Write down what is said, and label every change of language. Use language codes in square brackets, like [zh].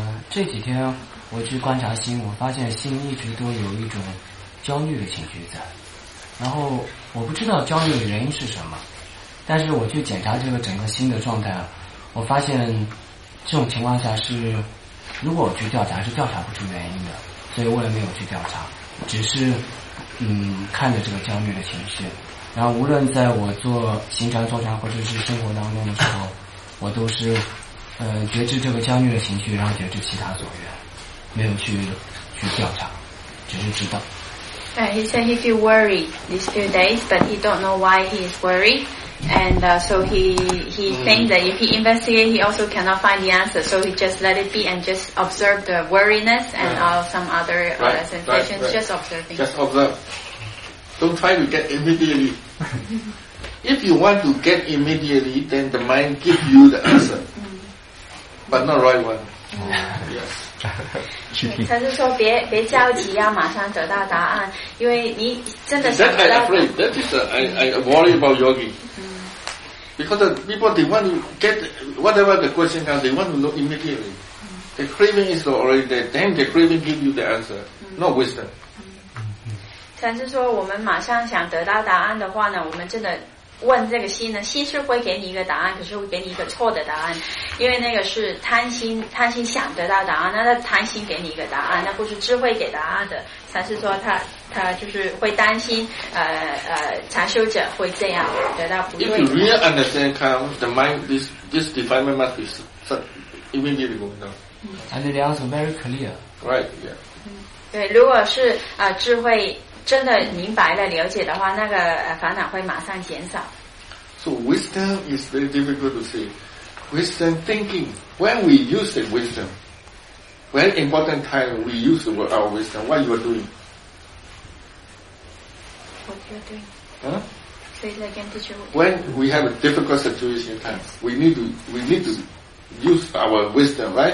[zh] 这几天我去观察心，我发现心一直都有一种焦虑的情绪在，然后我不知道焦虑的原因是什么，但是我去检查这个整个心的状态，我发现这种情况下是如果我去调查是调查不出原因的，所以我也没有去调查，只是看着这个焦虑的情绪，然后无论在我做行禅坐禅或者是生活当中的时候，我都是觉知这个焦虑的情绪，然后觉知其他所缘，没有去调查，只是知道。 [en] He said he feel worried these few days, but he don't know why he is worried, and so he think that if he investigate, he also cannot find the answer. So he just let it be and just observe the worriness and all some other sensations, right. Just observing. Just observe. Don't try to get immediately. If you want to get immediately, then the mind give you the answer. But not right one. Yes. [zh] 他是说别焦急，要马上得到答案，因为你真的想知道。 [en] That I afraid. That is I worry about yogi. Because the people they want to get whatever the question comes, they want to know immediately. The craving is already there. Then the craving give you the answer. Not wisdom. [zh] 他是说我们马上想得到答案的话呢，我们真的。问这个心呢，心是会给你一个答案，可是会给你一个错的答案，因为那个是贪心，贪心想得到答案，那贪心给你一个答案，那不是智慧给答案的。禅师说他就是会担心，禅修者会这样得到不。 [en] If you really understand, come the mind this defilement must be immediately going down. And the answer very clear. Right. Yeah. [zh] 对，如果是智慧。真的明白了了解的话，那个烦恼会马上减少。 [en] So wisdom is very difficult to say. Wisdom thinking, when we use the wisdom, when important time we use our wisdom, what you are doing? What you are doing? Huh? When we have a difficult situation time, we need to use our wisdom, right?